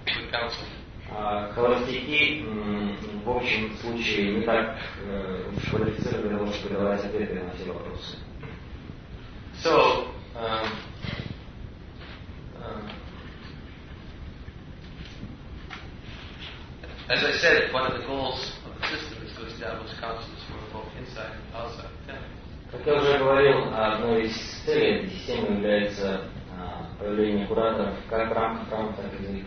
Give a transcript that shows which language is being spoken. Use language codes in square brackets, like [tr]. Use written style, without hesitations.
[ru] Холостяки, в общем случае, не так квалифицированы для того, чтобы давать ответы на все вопросы. [en] So, as I said, one of the goals of the system is to establish councils for both inside and outside. [ru] Как я уже говорил, одной из целей этой системы является появление кураторов как в рамках храма, так и за их